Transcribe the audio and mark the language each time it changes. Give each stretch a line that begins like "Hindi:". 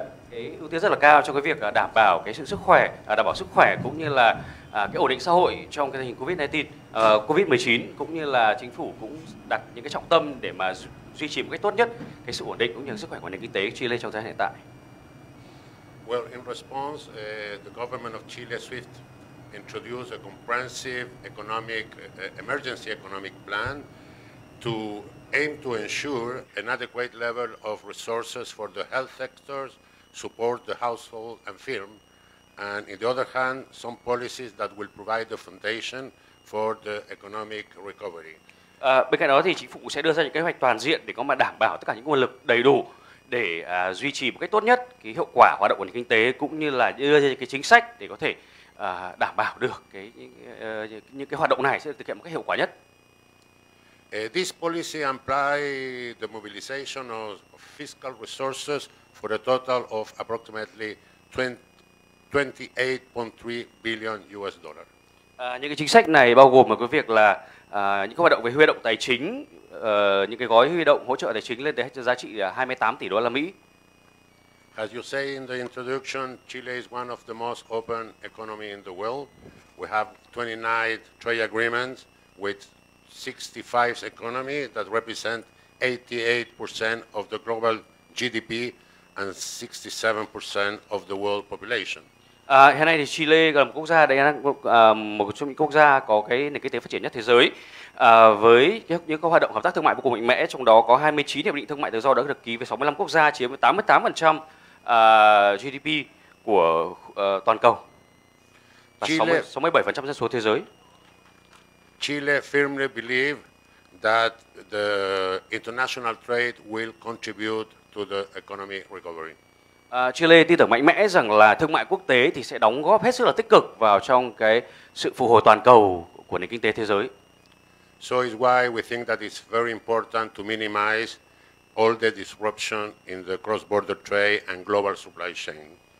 Vietnamese: Cái ưu tiên rất là cao cho cái việc đảm bảo cái sự sức khỏe, đảm bảo sức khỏe cũng như là cái ổn định xã hội trong cái tình hình COVID-19, cũng như là chính phủ cũng đặt những cái trọng tâm để mà duy trì một cách tốt nhất cái sự ổn định cũng như sức khỏe của nền kinh tế Chile trong thời gian hiện tại.
English: Well, in response, the government of Chile swift introduced a comprehensive economic emergency economic plan to aim to ensure an adequate level of resources for the health sectors, support the household and firm, and in the other hand, some policies that will provide the foundation for the economic recovery.
Vietnamese: Bên cạnh đó thì chính phủ sẽ đưa ra những kế hoạch toàn diện để có mà đảm bảo tất cả những nguồn lực đầy đủ để duy trì một cách tốt nhất cái hiệu quả hoạt động của nền kinh tế, cũng như là đưa ra những cái chính sách để có thể đảm bảo được những cái hoạt động này sẽ được thực hiện một cách hiệu quả nhất.
English: This policy implies the mobilization of fiscal resources for a total of approximately 28.3 billion US dollars.
Vietnamese: Những cái chính sách này bao gồm một cái việc là những cái hoạt động về huy động tài chính, những cái gói huy động hỗ trợ tài chính lên tới giá trị 28 tỷ đô la Mỹ.
English: As you say in the introduction, Chile is one of the most open economy in the world. We have 29 trade agreements with 65 economies that represent 88% of the global GDP and 67% of the world population.
Vietnamese: Hiện nay thì Chile là một quốc gia đấy, một trong những quốc gia có cái nền kinh tế phát triển nhất thế giới, với những hoạt động hợp tác thương mại vô cùng mạnh mẽ, trong đó có 29 hiệp định thương mại tự do đã được ký với 65 quốc gia, chiếm 88% GDP của toàn cầu và 67% dân số thế giới.
English: Chile firmly believe that the international trade will contribute to the economic recovery.
Vietnamese: Chile tin tưởng mạnh mẽ rằng là thương mại quốc tế thì sẽ đóng góp hết sức là tích cực vào trong cái sự phục hồi toàn cầu của nền kinh tế thế giới.
English: So is why we think that it's very important to minimize all the disruption in the cross-border trade and global supply chain.